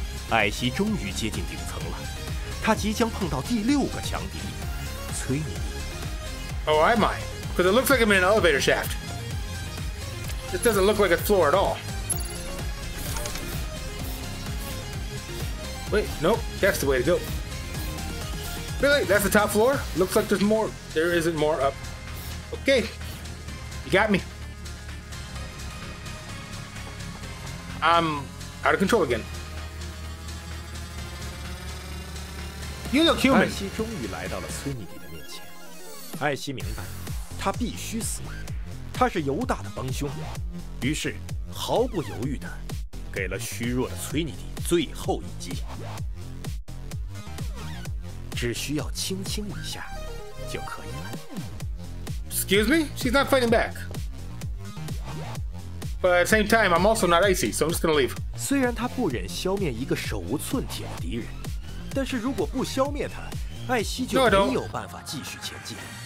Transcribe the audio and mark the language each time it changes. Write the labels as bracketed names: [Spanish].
[Chinese] Icey 终于接近顶层了，他即将碰到第六个强敌——崔妮。 [English] Oh, am I? Because it looks like I'm in an elevator shaft. This doesn't look like a floor at all. Wait, nope, that's the way to go. Really? That's the top floor? Looks like there's more. There isn't more up. Okay, you got me. I'm out of control again. You look human. [Chinese] 艾希终于来到了崔妮迪的面前。艾希明白，他必须死。他是犹大的帮凶，于是毫不犹豫地给了虚弱的崔妮迪最后一击。只需要轻轻一下就可以了。 [English] Excuse me? She's not fighting back. But at the same time, I'm also not icy, so I'm just gonna leave. [Chinese] 虽然他不忍消灭一个手无寸铁的敌人。但是如果不消灭他，艾希就没有办法继续前进。